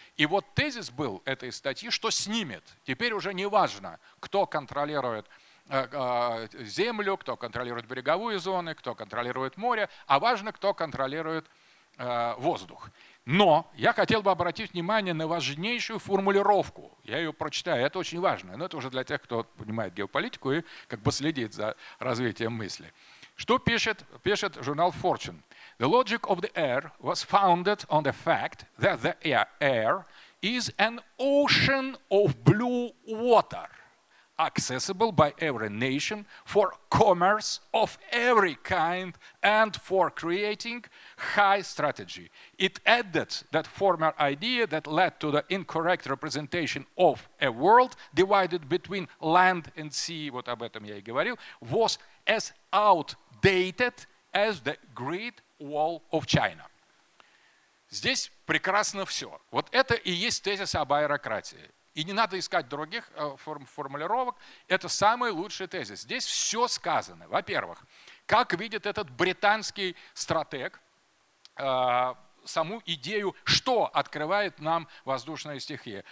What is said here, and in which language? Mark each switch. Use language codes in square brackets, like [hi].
[ru] И вот тезис был этой статьи, что снимет. Теперь уже не важно, кто контролирует землю, кто контролирует береговые зоны, кто контролирует море, а важно, кто контролирует воздух. Но я хотел бы обратить внимание на важнейшую формулировку. Я ее прочитаю, это очень важно. Но это уже для тех, кто понимает геополитику и как бы следит за развитием мысли. Что пишет журнал Fortune? [en] The logic of the air was founded on the fact that the air is an ocean of blue water, accessible by every nation for commerce of every kind and for creating high strategy. It added that former idea that led to the incorrect representation of a world divided between land and sea, [ru] вот об этом я и говорил, [en] was as outdated as the Great Wall of China. [ru] Здесь прекрасно все. Вот это и есть тезис об аэрократии. И не надо искать других формулировок. Это самый лучший тезис. Здесь все сказано. Во-первых, как видит этот британский стратег саму идею, что открывает нам воздушная стихия.